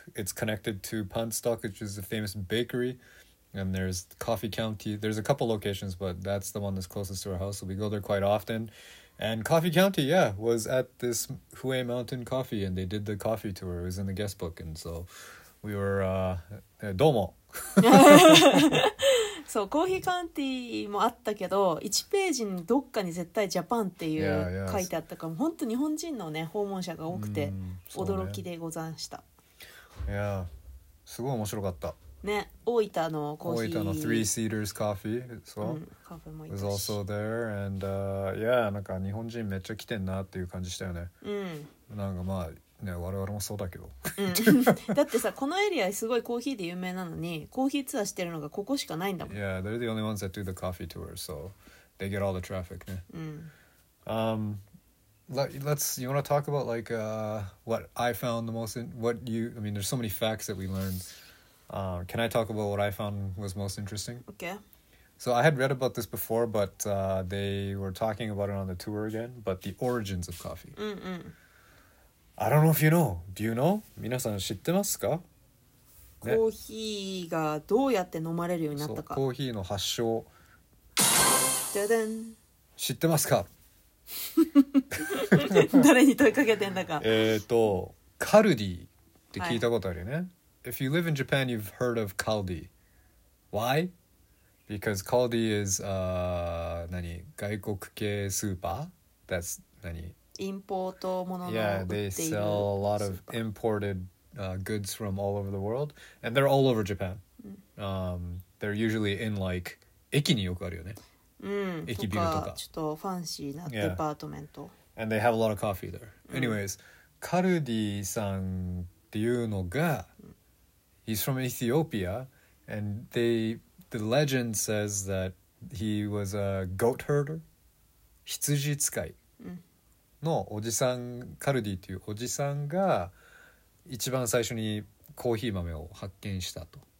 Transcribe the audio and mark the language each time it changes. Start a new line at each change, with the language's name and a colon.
English: It's connected to Punstock, which is a famous bakery, and there's Coffee County. There's a couple locations, but that's the one that's closest to our house, so we go there quite often. And Coffee County, yeah, was at this Huey Mountain Coffee, and they did the coffee tour. It was in the guest book, and so... We were,
Japanese: どうも。そう、コーヒーカウンティーもあったけど、1ページにどっかに絶対ジャパンっていう書いてあったから、本当日本人のね、訪問者が多くて驚きでござんした。いや、すごい面白かった。ね、大分のコーヒー。大分の
English: Three Cedars Coffee as well.
Japanese: カフェもいたし。
English: Was also there and, yeah,
Japanese: なんか日本人めっちゃ来てんなっていう感じしたよね。なんかまあ、ね、我々もそうだけど、だってさ、このエリアすごいコーヒーで有名なのにコーヒーツアーしてるのがここしかないんだもん。
English: Yeah, they're the only ones that do the coffee tour, so they get all the traffic, ね。 You want to talk about like what I found the most, what you, I mean, there's so many facts that we learned. Can I talk about what I found was most interesting? Okay. So I had read about this before, but they were talking about it on the tour again, but the origins of coffee. Mm-mm. I don't know if you know. Do you know?
Japanese: 皆さん知ってますか? コーヒーがどうやって飲まれるようになったか。そう、コーヒーの発祥。じゃじゃん。知ってますか? 誰に問いかけてんだか。カルディって聞いたことあるよね。
English: はい、If you live in Japan, you've heard of Caldi. Why? Because Caldi is a
Japanese: 何外国系スーパー
English: That's 何
Japanese: インポートものの
English: Yeah, they sell a lot of imported goods from all over the world. And they're all over Japan.、They're usually in like
Japanese: 駅によくあるよね、うん、駅ビルとか。とかちょっとファンシーなデパートメント、
English: yeah. And they have a lot of coffee there.
Japanese: Anyways,、うん、カルディさんっていうのが、うん、
English: He's from Ethiopia and theyThe legend says that he was a goat herder,
Japanese: 羊使いのおじさん、カルディというおじさんが一番最初にコーヒー豆を発見したと。